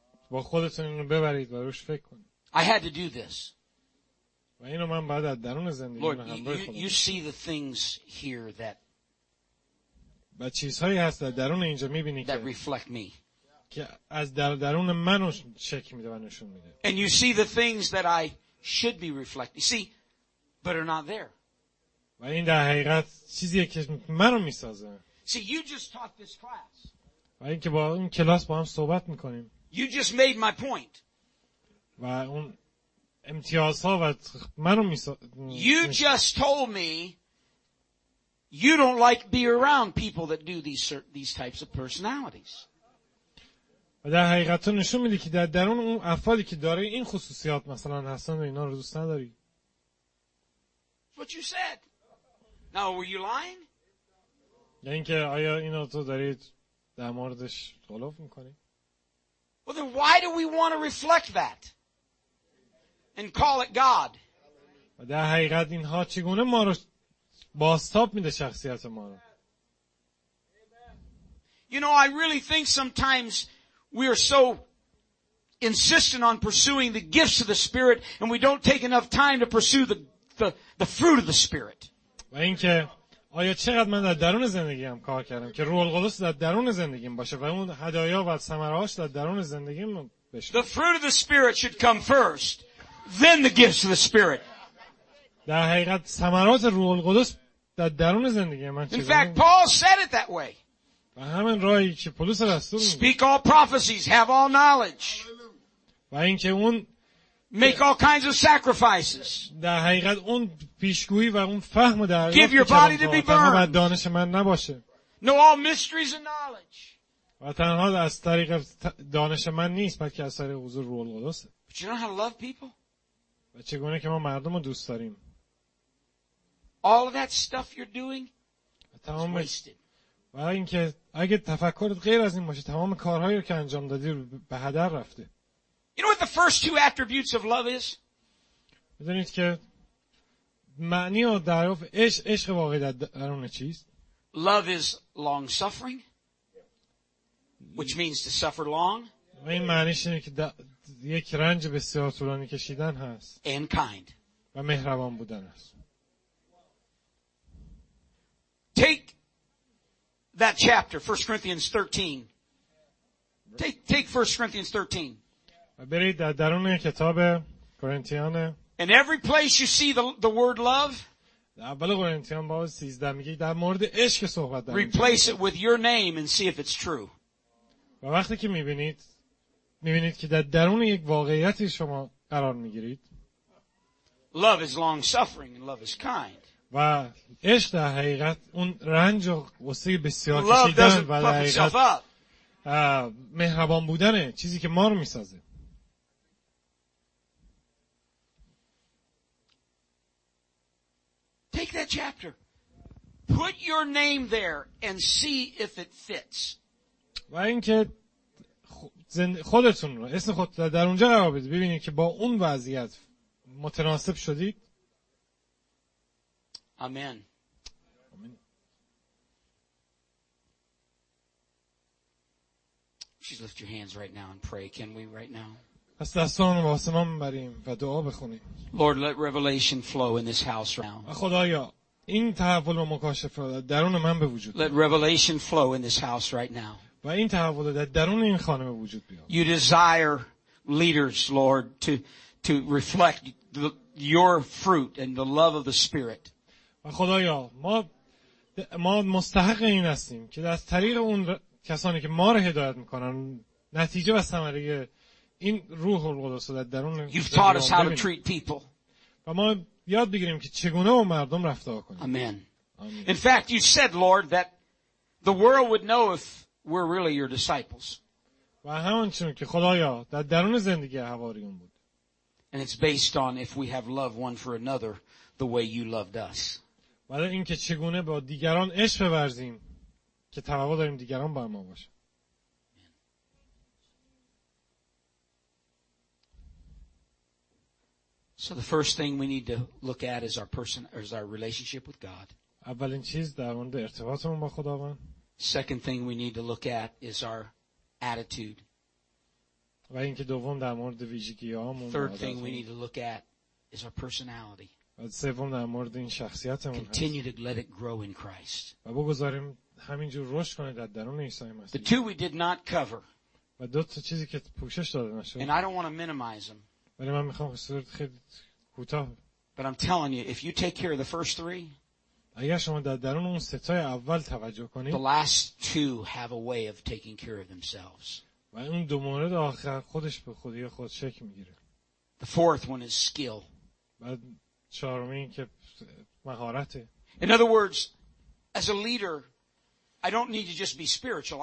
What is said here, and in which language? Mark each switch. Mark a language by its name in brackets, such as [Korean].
[Persian] با خودتون اینو ببرید و روش فکر کنید. [English] I had to do this. [Persian] و اینو من بعد از درون زندگی [English] Lord, you see the things here that [Persian] و چیزهایی هست در درون اینجا میبینی [English] that reflect me. [Persian] که از در درون منو شکل میده و نشون میده. [English] And you see the things that I should be reflecting. You see, but are not there. [Persian] و این در حقیقت چیزیه که منو میسازه. [English] See, you just taught this class. [Persian] و این که با این کلاس با هم صحبت میکنیم. [English] You just made my point. [Persian] و اون امتیازها و منو [English] You just told me you don't like be around people that do these types of personalities. [Persian] و در حقیقت تو نشون میدی که در درون اون افرادی که داره این خصوصیات مثلا هستن و اینا رو دوست نداری. [English] What you said? Now were you lying? [Persian] یعنی که آیا این تو دارید در موردش غلوف میکنی؟ [English] Well then why do we want to reflect that? And call it God. [Persian] و در حقیقت اینها چگونه ما رو بازتاب میده شخصیت ما رو. [English] You know, I really think sometimes we are so insistent on pursuing the gifts of the Spirit and we don't take enough time to pursue the fruit of the Spirit. [Persian] و اینکه آیا چقدر من در درون زندگیم کار کردم که روح القدس در درون زندگیم باشه و اون هدایا و ثمره‌هاش در درون زندگیم بشه. [English] The fruit of the Spirit should come first, then the gifts of the Spirit. [Persian] در حقیقت ثمرات روح القدس در درون زندگی من چیه؟ [English] In fact, Paul said it that way. [Persian] و همین رایی که پولس رسول [English] Speak all prophecies, have all knowledge. [Persian] و اینکه اون [English] Make all kinds of sacrifices. [Persian] در حقیقت اون پیشگویی و اون فهم در حقیقت [English] Give your body to be burned. [Persian] و دانش من نباشه. [English] Know all mysteries and knowledge. [Persian] و تنها از طریق دانش من نیست بلکه از طریق حضور روح القدس. [English] But you know how to love people? [Persian] و چگونه که ما مردم رو دوست داریم؟ [English] All of that stuff you're doing is wasted. [Persian] و اینکه اگه تفکرت غیر از این باشه تمام کارهایی رو که انجام دادی رو به هدر رفته. [English] You know what the first two attributes of love is? [Persian] می‌دونید که معنی و دریافت عشق واقعی در درون چیست؟ [English] Love is long suffering, which means to suffer long. [Persian] و این معنیش اینه که یک رنج بسیار طولانی کشیدن هست. [English] And kind. [Persian] و مهربان بودن است. [English] Take that chapter, 1 Corinthians 13. Take 1 Corinthians 13. [Persian] و برید در درون کتاب کرنتیان. [English] In every place you see the word love. [Persian] اول کرنتیان باب 13 میگه در مورد عشق صحبت داره. [English] Replace it with your name and see if it's true. [Persian] و وقتی که میبینید که در درون یک واقعیتی شما قرار میگیرید. [English] Love is long suffering and love is kind. [Persian] و عشق در حقیقت اون رنج و غصه بسیار کشیدن و در حقیقت مهربان بودنه چیزی که ما رو میسازه. [English] Take that chapter. Put your name there and see if it fits. [Persian] و اینکه خودتون رو اسم خودتون در اونجا قرار بدید ببینید که با اون وضعیت متناسب شدید. [English] Amen. Amen. Just lift your hands right now and pray. Can we right now? [Persian] از دستان و آسمان بریم و دعا بخونیم. [English] Lord, let revelation flow in this house now. [Persian] خدایا این تحول و مکاشفه در درون من به وجود بیاد. [English] Let revelation flow in this house right now. [Persian] و این تحول در درون این خانه به وجود بیاد. [English] You desire leaders, Lord, to reflect your fruit and the love of the Spirit. [Persian] خدایا ما مستحق این هستیم که از طریق اون کسانی که ما رو هدایت میکنن نتیجه و ثمره این روح القدس در درون [English] You've taught us how to treat people. [Persian] و ما یاد بگیریم که چگونه با مردم رفتار کنیم. [English] Amen. In fact, you said, Lord, that the world would know if we're really your disciples. [Persian] و همون چون که خدایا در درون زندگی حواریون بود. [English] And it's based on if we have love one for another the way you loved us. [Persian] ولی اینکه چگونه با دیگران عشق ورزیم که توقع داریم دیگران با ما باشه. [English] So the first thing we need to look at is our person, or is our relationship with God. [Persian] اولین چیز در مورد ارتباطمون با خداوند. [English] Second thing we need to look at is our attitude. [Persian] و اینکه دوم در مورد ویژگی‌هامون. [English] Third thing we need to look at is our personality. [Persian] و سوم در مورد این شخصیتمون. [English] Continue to let it grow in Christ. [Persian] و بگذاریم همینجور رشد کنه در درون عیسی مسیح. [English] The two we did not cover. [Persian] و دو تا چیزی که پوشش داده نشد. [English] And I don't want to minimize them. [Persian] ولی من میخوام خصوصیت خیلی کوتاه. [English] But I'm telling you, if you take care of the first three. [Persian] اگر شما در درون اون ستای اول توجه کنید. [English] The last two have a way of taking care of themselves. [Persian] و اون دو مورد آخر خودش به خودی خود شکل میگیره. [English] The fourth one is skill. [Persian] و چهارمین که مهارت. [English] In other words, as a leader, I don't need to just be spiritual.